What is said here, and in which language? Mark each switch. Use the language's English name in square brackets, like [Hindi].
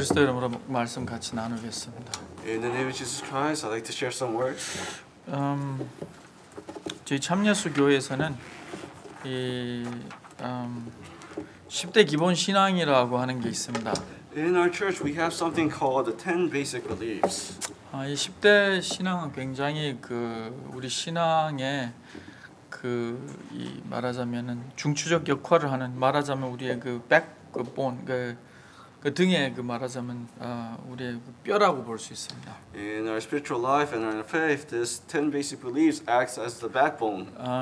[Korean] 그리스도 이름으로 말씀 같이 나누겠습니다. [English] In the name of Jesus Christ, I'd like to share some words. [Korean] 저희 참예수 교회에서는 이 10대 기본 신앙이라고 하는 게 있습니다. [English] In our church, we have something called the 10 basic beliefs. [Korean] 이 10대 신앙은 굉장히 그 우리 신앙의 그 이 말하자면은 중추적 역할을 하는 말하자면 우리의 그 백본 그 그 등에 그 말하자면 우리의 그 뼈라고 볼 수 있습니다. [English] In our spiritual life and our faith, this 10 basic beliefs acts as the backbone.